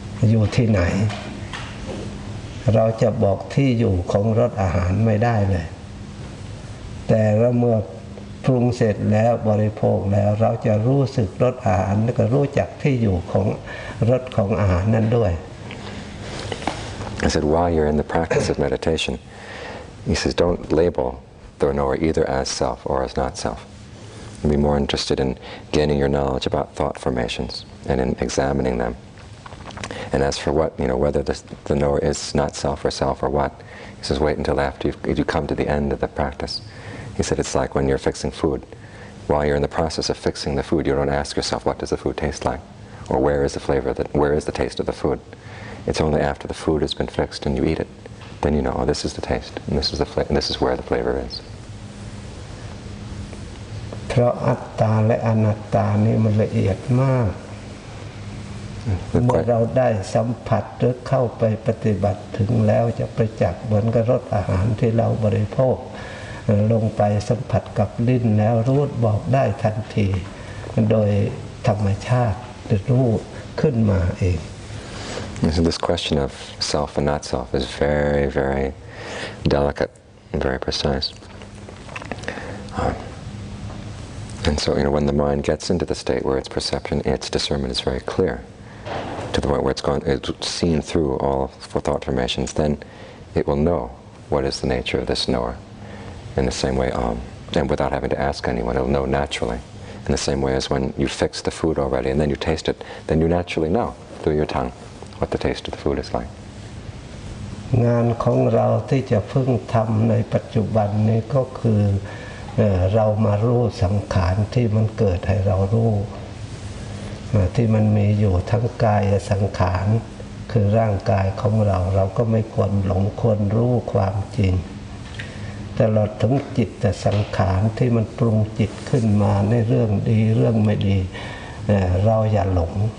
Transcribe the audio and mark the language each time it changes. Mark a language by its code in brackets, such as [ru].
[th] อยู่ที่ไหนเราจะบอกที่อยู่ของรสอาหารไม่ได้เลยแต่เมื่อปรุงเสร็จแล้วบริโภคแล้วเราจะรู้สึกรสอาหารแล้วก็รู้จักที่อยู่ของรสของอาหารนั้นด้วย [en] I said while you're in the practice of meditation he says don't label the knower either as self or as not selfBe more interested in gaining your knowledge about thought formations and in examining them. And as for what, you know, whether the knower is not self or self or what, he says, wait until after you come to the end of the practice. He said, it's like when you're fixing food. While you're in the process of fixing the food, you don't ask yourself, what does the food taste like? Or where is the flavor, where is the taste of the food? It's only after the food has been fixed and you eat it, then you know, oh, this is the taste, and this is the and this is where the flavor is. [th] เพราะอัตตาและอนัตตานี่มันละเอียดมากเมื่อเราได้สัมผัสหรือเข้าไปปฏิบัติถึงแล้วจะประจักษ์เหมือนกับรสอาหารที่เราบริโภค ลงไปสัมผัสกับลิ้นแล้วรูดบอกได้ทันทีโดยธรรมชาติจะรู้ขึ้นมาเอง [en] So this question of self and not self is very very delicate and very precise. And so, you know, when the mind gets into the state where its perception, its discernment is very clear, to the point where it's gone, it's seen through all thought formations, then it will know what is the nature of this knower. In the same way, and without having to ask anyone, it'll know naturally. In the same way as when you fix the food already and then you taste it, then you naturally know through your tongue what the taste of the food is like. [th] งานของเราที่จะพึ่งทำในปัจจุบันนี้ก็คือเรามารู้สังขารที่มันเกิดให้เรารู้ที่มันมีอยู่ทั้งกายและสังขารคือร่างกายของเราเราก็ไม่ควรหลงควรรู้ความจริงตลอดถึงจิตแต่สังขารที่มันปรุงจิตขึ้นมาในเรื่องดีเรื่องไม่ดีเราอย่าหลง